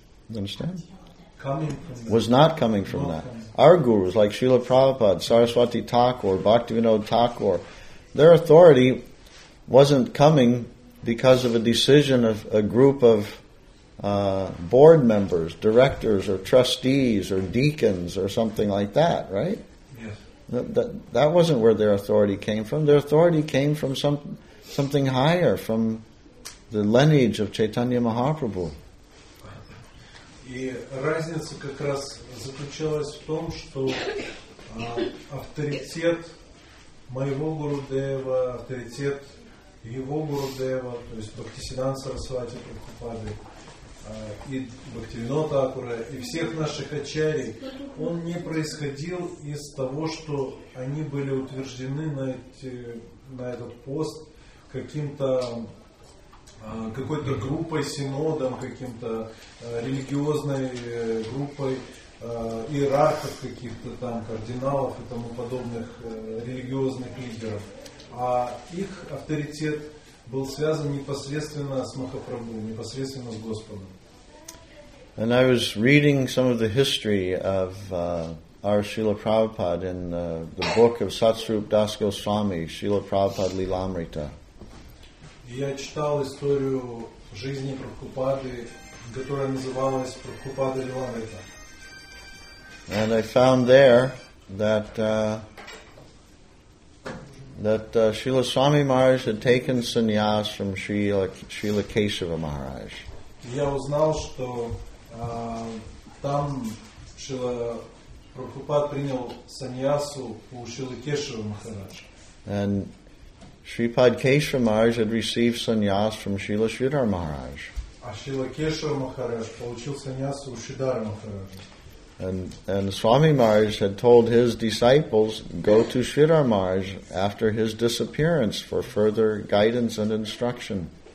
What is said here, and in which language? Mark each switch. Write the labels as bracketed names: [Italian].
[English] You understand? Was not coming from that. Our gurus, like Srila Prabhupada, Saraswati Thakur, Bhaktivinoda Thakur, their authority wasn't coming because of a decision of a group of board members, directors, or trustees, or deacons, or something like that, right? Yes. That wasn't where their authority came from. Their authority came from something higher, from the lineage of Chaitanya Mahaprabhu. [Russian] И разница как раз заключалась в том, что авторитет моего Гурудева, авторитет его Гурудева, то есть Бхактисиддханта Сарасвати Прабхупады и Бхактивинода Такура, и всех наших ачарий, он не происходил из того, что они были утверждены на этот пост каким-то... какой-то группой, синодом, каким-то религиозной группой иерархов каких-то там, кардиналов и тому подобных религиозных лидеров. А их авторитет был связан непосредственно с Махапрабху, непосредственно с Господом. [English] And I was reading some of the history of our Srila Prabhupada in the book of Satsrup Das Goswami, Srila Prabhupada Lilamrita. [Russian] Я читал историю жизни Прабхупады, которая называлась Прабхупада Лиламрита. [English] And I found there that Srila Swami Maharaj had taken sannyas from Srila Keshava Maharaj. [Russian] Я узнал, что там Шрила Прабхупад принял саньясу у Шрилы Кешава Махараджа. [English] And Shripad Keshava Maharaj had received sannyas from Srila Sridhar Maharaj. [Russian] А Шрила Кешава Махарадж получил саньясу у Шридхара Махараджа. [English] And Swami Maharaj had told his disciples, go to Sridhar Maharaj after his disappearance for further guidance and instruction.